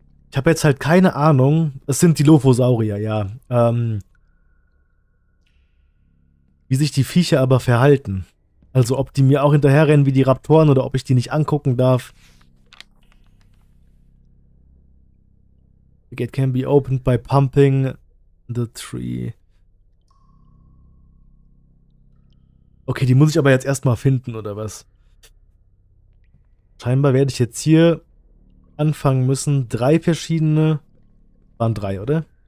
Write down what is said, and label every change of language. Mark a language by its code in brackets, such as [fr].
[de] Ich habe jetzt halt keine Ahnung. Es sind die Dilophosaurier, ja. Wie sich die Viecher aber verhalten. Also ob die mir auch hinterherrennen wie die Raptoren oder ob ich die nicht angucken darf. [en] The gate can be opened by pumping the tree. [de] Okay, die muss ich aber jetzt erstmal finden, oder was? Scheinbar werde ich jetzt hier anfangen müssen. Drei verschiedene. Waren drei, oder? Ja.